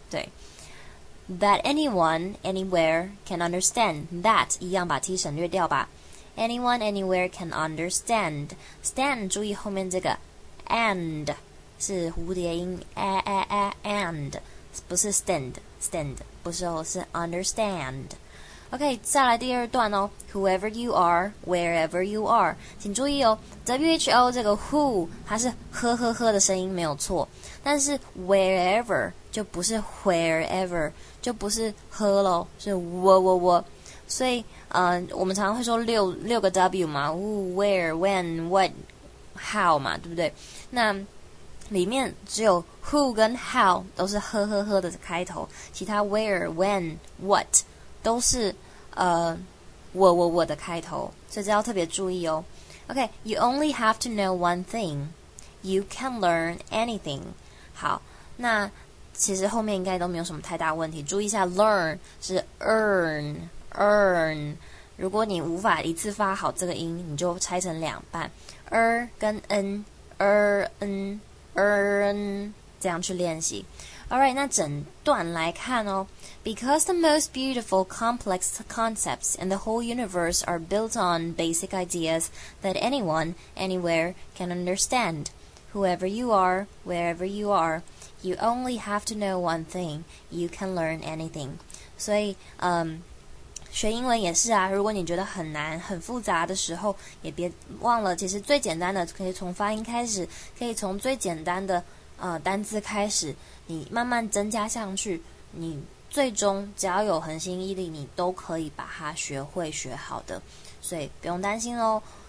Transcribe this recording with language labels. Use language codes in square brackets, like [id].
[zh] 对， [en] that anyone anywhere can understand， [zh] that 一样把 t 省略掉吧， [en] anyone anywhere can understand， [zh] stand 注意后面这个 and 是蝴蝶音， and 不是 stand 不是，是 understand。 OK， 再来第二段哦。 [en] Whoever you are, wherever you are， [zh] 请注意哦。 WHO 这个 who 它是呵呵呵的声音没有错，但是 wherever 就不是 wherever， 就不是呵咯，是喔喔喔。所以，我们常常会说六个 W 嘛 ，who, where, when, what, how 嘛，对不对？那里面只有 who 跟 how 都是呵呵呵的开头，其他 where, when, what。都是我的开头，所以这要特别注意哦。 [en] OK， you only have to know one thing， you can learn anything。 [zh] 好，那其实后面应该都没有什么太大问题，注意一下 learn 是 earn， 如果你无法一次发好这个音，你就拆成两半， er 跟 n， earn 这样去练习。 Alright， 那整段来看哦。 [en] Because the most beautiful complex concepts in the whole universe are built on basic ideas that anyone, anywhere can understand. Whoever you are, wherever you are, you only have to know one thing. You can learn anything. [zh] 所以，学英文也是啊，如果你觉得很难很复杂的时候，也别忘了，其实最简单的可以从发音开始，可以从最简单的单字开始，你慢慢增加上去，你最终只要有恒心毅力，你都可以把它学会学好的，所以不用担心哦。